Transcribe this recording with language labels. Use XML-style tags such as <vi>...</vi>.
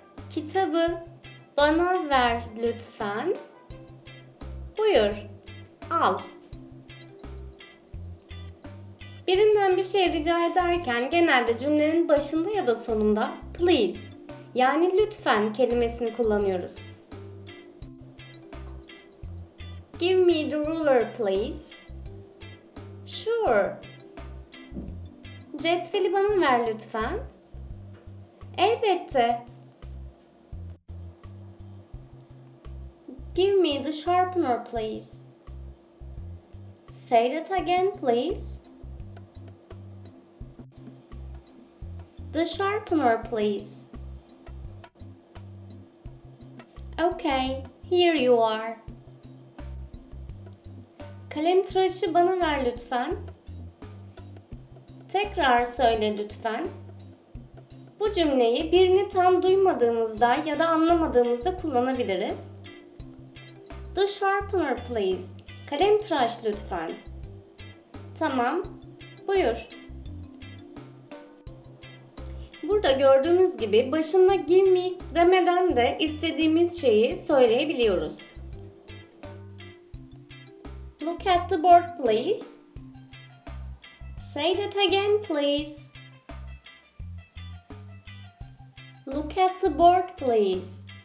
<tr>Kitabı bana ver lütfen. Buyur, al. Birinden bir şey rica ederken genelde cümlenin başında ya da sonunda please yani lütfen kelimesini kullanıyoruz.</tr> <en>Give me the ruler, please. Sure.</en> <tr>Cetveli bana ver lütfen. Elbette.</tr> <en>Give me the sharpener, please. Say that again, please. The sharpener, please. Okay, here you are.</en> <tr>Kalem tıraşı bana ver lütfen. Tekrar söyle lütfen. Bu cümleyi birini tam duymadığımızda ya da anlamadığımızda kullanabiliriz.</tr> <en>The sharpener please.</en> <tr>Kalem tıraş lütfen. Tamam. Buyur. Burada gördüğünüz gibi başında give me demeden de istediğimiz şeyi söyleyebiliyoruz.</tr> <en>Look at the board please. Say that again please. Look at the board please.</en>